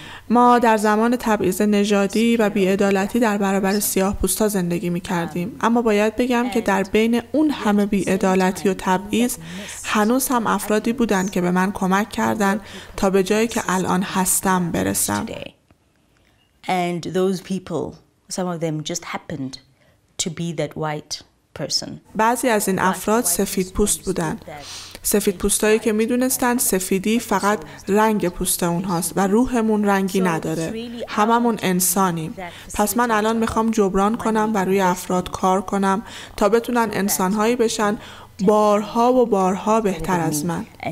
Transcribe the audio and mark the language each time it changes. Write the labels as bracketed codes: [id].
[fa] ما در زمان تبعیض نژادی و بی‌عدالتی در برابر سیاه‌پوستا زندگی می‌کردیم، اما باید بگم که در بین اون همه بی‌عدالتی و تبعیض هنوز هم افرادی بودن که به من کمک کردند تا به جایی که الان هستم برسم. [en] And those people, some of them just happened to be that white person. [fa] بعضی از این افراد سفید پوست بودن. سفید پوستایی که می دونستن سفیدی فقط رنگ پوست اونهاست و روحمون رنگی نداره. هممون انسانیم. پس من الان می خوام جبران کنم و روی افراد کار کنم تا بتونن انسانهایی بشن بارها و بارها بهتر از من.